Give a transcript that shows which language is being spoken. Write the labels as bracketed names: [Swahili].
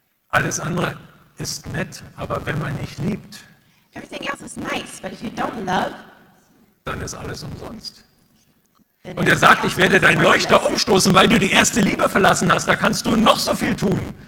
[German] Alles andere ist nett, aber wenn man nicht liebt, [English] everything else is nice, but if you don't love, [German] dann ist alles umsonst. Und er sagt, ich werde deinen Leuchter umstoßen, weil du die erste Liebe verlassen hast. Da kannst du noch so viel tun.